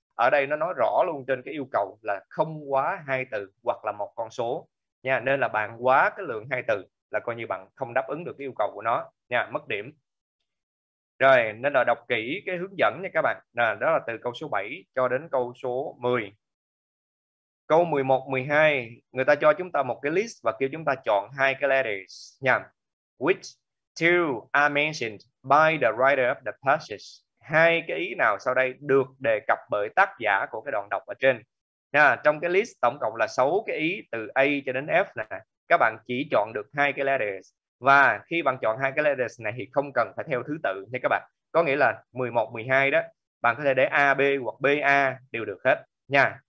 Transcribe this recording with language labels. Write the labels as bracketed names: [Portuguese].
[Vietnamese] Ở đây nó nói rõ luôn trên cái yêu cầu là không quá 2 từ hoặc là một con số nha, nên là bạn quá cái lượng 2 từ là coi như bạn không đáp ứng được cái yêu cầu của nó nha, mất điểm. Rồi, nên là đọc kỹ cái hướng dẫn nha các bạn. Nè, đó là từ câu số 7 cho đến câu số 10. Câu 11, 12, người ta cho chúng ta một cái list và kêu chúng ta chọn hai cái letters nha. [English] Which two are mentioned by the writer of the passage? [Vietnamese] Hai cái ý nào sau đây được đề cập bởi tác giả của cái đoạn đọc ở trên? Nè, trong cái list tổng cộng là 6 cái ý từ A cho đến F nè. Các bạn chỉ chọn được hai cái letters. Và khi bạn chọn hai cái letters này thì không cần phải theo thứ tự nha các bạn. Có nghĩa là 11, 12 đó, bạn có thể để A, B hoặc B, A đều được hết nha.